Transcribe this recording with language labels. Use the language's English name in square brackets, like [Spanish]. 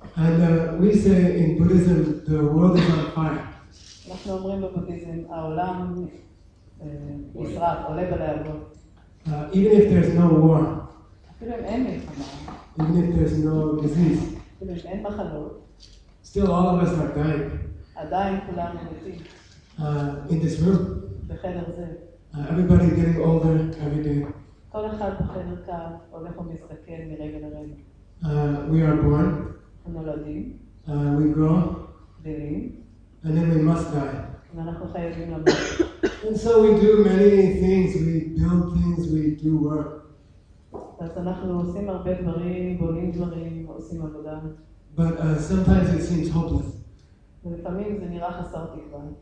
[English] And we say in Buddhism, the world is on fire. [Hebrew] אנחנו אומרים בבודהיזם, העולם נשרף, עולה בלהבות. [English] Even if there's no war. [Hebrew] אפילו אם אין מלחמה. [English] Even if there's no disease. [Hebrew] אפילו אם אין מחלות. [English] Still all of us are dying. [Hebrew] עדיין כולנו מתים. [English] In this room. [Hebrew] בחדר זה. [English] Everybody getting older every day. [Hebrew] כל אחד בחדר קו הולך ומסתכל מרגע לרגע. [English] We are born. [Hebrew] אנחנו נולדים. [English] We grow. [Hebrew] גדלים. [English] And then we must die. [Hebrew] ואנחנו חייבים למות. [English] And so we do many things. We build things. We do work. [Hebrew] אז אנחנו עושים הרבה דברים, בונים דברים, עושים עבודה. [English] But sometimes it seems hopeless. [Hebrew] ולפעמים זה נראה חסר תקווה.